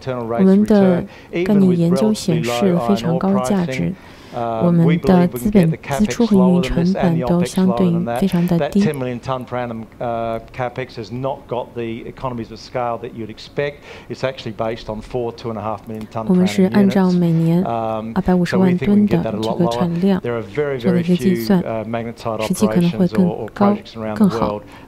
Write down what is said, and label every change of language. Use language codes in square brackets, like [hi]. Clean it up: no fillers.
[zh] 我们的概念研究显示了非常高的价值，我们的资本支出和运营成本都相对非常的低。 [en] 10 million ton per annum capex has not got the economies of scale that you'd expect. It's actually based on 4.5 million ton per annum. [zh] 我们是按照每年250万吨的这个产量做了一个计算，实际可能会更高、更好。